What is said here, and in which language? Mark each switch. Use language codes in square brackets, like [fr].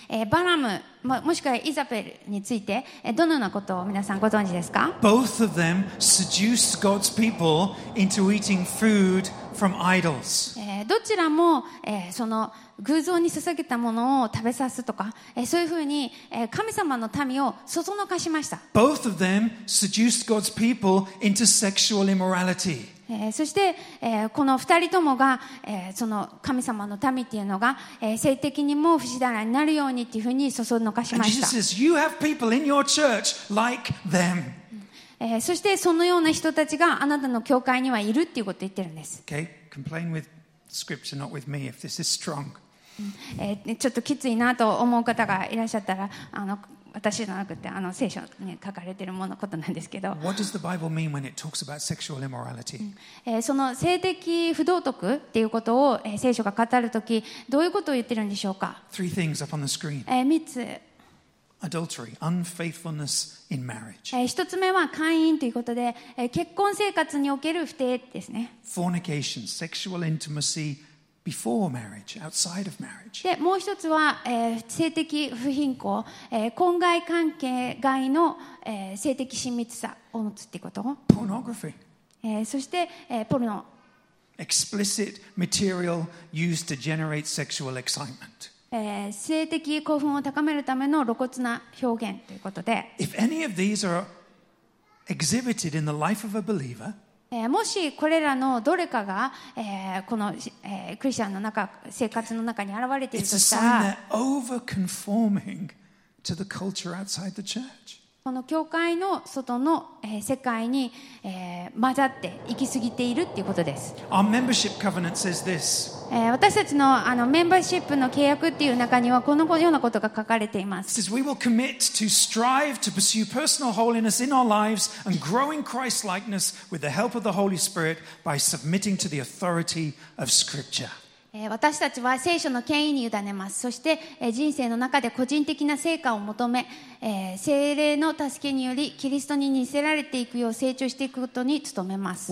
[ja] バラム、もしくはイザベルについて、どのようなことを皆さんご存知ですか? [en] Both of them seduced God's people into eating food from idols. [ja] どちらも、その偶像に捧げたものを食べさすとか、そういうふうに、神様の民をそそのかしました。 [en] Both of them seduced God's people into sexual immorality. [ja] そして、この二人ともが、その神様の民っていうのが、性的にも不自然になるようにっていうふうにそそのかしました。 [en] And Jesus says, "You have people in your church like them." [ja] そしてそのような人たちがあなたの教会にはいるっていうことを言ってるんです。 [en] Okay, complain with scripture, not with me, if this is strong. [ja] ちょっときついなと思う方がいらっしゃったら、私じゃなくて聖書に書かれているもののことなんですけど。 [en] What does the Bible mean when it talks about sexual immorality? [ja] その性的不道徳っていうことを聖書が語るとき、どういうことを言ってるんでしょうか。 [en] Three things up on the screen. [ja] 三つ。 [en] Adultery, unfaithfulness in marriage. [ja] 一つ目は姦淫ということで、結婚生活における不貞ですね。 [en] Fornication, sexual intimacy before marriage, outside of marriage. [ja] でもう一つは、性的不貧困、婚外関係外の、性的親密さを持つということ。 [en] Pornography. [ja] そして、ポルノ。 [en] Explicit material used to generate sexual excitement. [ja] 性的興奮を高めるための露骨な表現ということで、 [en] If any of these are exhibited in the life of a believer, [ja] もしこれらのどれかが、この、クリスチャンの中生活の中に現れているとしたら、 [en] It's a sign that overconforming to the culture outside the church. [ja] この教会の外の、世界に、混ざって行き過ぎているっていうことです。 [en] Our membership covenant says this. [ja] 私たち のメンバーシップの契約っていう中にはこのようなことが書かれています。 [en] It says we will commit to strive to pursue personal holiness in our lives and growing Christ likeness with the help of the Holy Spirit by submitting to the authority of Scripture. [ja] 私たちは聖書の権威に委ねます。そして人生の中で個人的な成果を求め、聖霊の助けによりキリストに似せられていくよう成長していくことに努めます。